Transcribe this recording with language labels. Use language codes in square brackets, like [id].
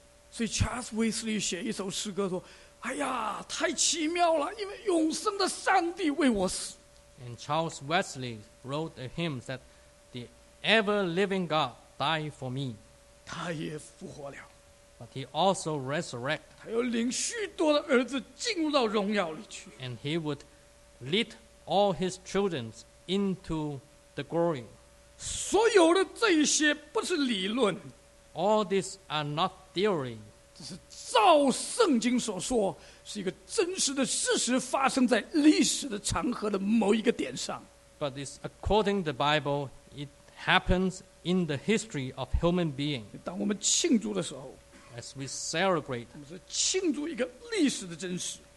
[zh] So Charles Wesley 写一首诗歌说, 哎呀, 太奇妙了, 因为永生的上帝为我死。 [en] And Charles Wesley wrote a hymn that the ever-living God died for me. [zh] 他也复活了。 [en] But he also resurrected. [zh] 他要领许多的儿子进入到荣耀里去。 [en] And he would lead all his children into the glory. [zh] 所有的这些不是理论, [en] all these are not theory. [zh] 这是照圣经所说, 是一个真实的事实发生在历史的长河的某一个点上。 [en] But it's according to the Bible, it happens in the history of human being. [zh] 当我们庆祝的时候, [en] as we celebrate, [zh] 我们是庆祝一个历史的真实。